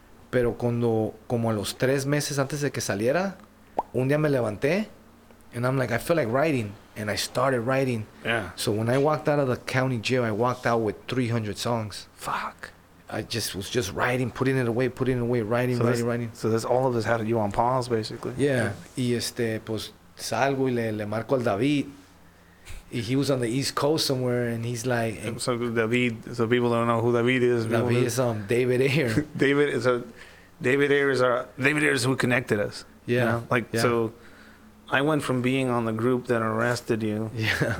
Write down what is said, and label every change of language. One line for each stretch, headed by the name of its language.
Spanish: Pero cuando, como a los 3 meses antes de que saliera, un día me levanté,
English: and I'm like, I feel like writing, and I started writing. Yeah. So when I walked out of the county jail, I walked out with 300 songs. Fuck. I just was just writing, putting it away, writing. So this, all of this had you on pause, basically.
Spanish: Yeah. Y pues salgo y le marco al David,
English: He was on the East Coast somewhere, and he's like, and so David, so people don't know who David is. David is David Ayer. David is a David Ayer is our David Ayer is who connected us. Yeah, you know? Like yeah. So, I went from being on the group that arrested you, yeah,